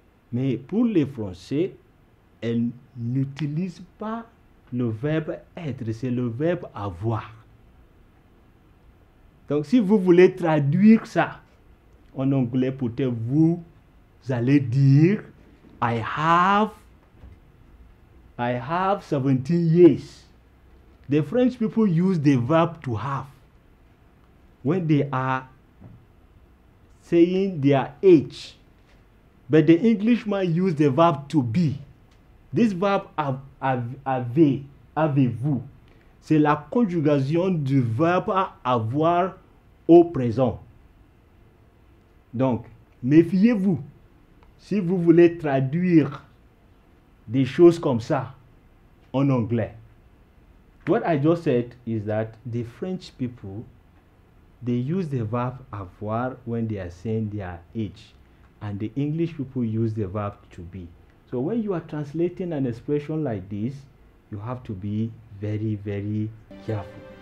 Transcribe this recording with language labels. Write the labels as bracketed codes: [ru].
[fr] Mais pour les français, elles n'utilisent pas le verbe être, c'est le verbe avoir. Donc, si vous voulez traduire ça en anglais, peut-être vous allez dire [en] I have 17 years. The French people use the verb to have when they are saying their age. But the Englishman use the verb to be. This verb [fr] avez-vous. C'est la conjugaison du verbe avoir au présent. Donc, méfiez-vous si vous voulez traduire des choses comme ça en anglais. [en] What I just said is that the French people, they use the verb avoir when they are saying their age, and the English people use the verb to be. So when you are translating an expression like this, you have to be very, very careful.